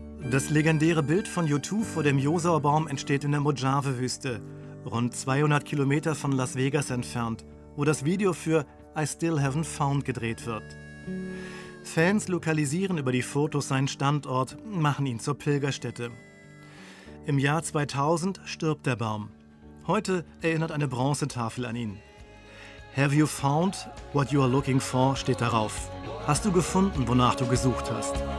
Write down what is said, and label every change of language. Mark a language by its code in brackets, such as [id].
[de] Das legendäre Bild von U2 vor dem Josua-Baum entsteht in der Mojave-Wüste, rund 200 Kilometer von Las Vegas entfernt, wo das Video für I Still Haven't Found gedreht wird. Fans lokalisieren über die Fotos seinen Standort, machen ihn zur Pilgerstätte. Im Jahr 2000 stirbt der Baum. Heute erinnert eine Bronzetafel an ihn. [en] Have you found what you are looking for? [de] Steht darauf. Hast du gefunden, wonach du gesucht hast?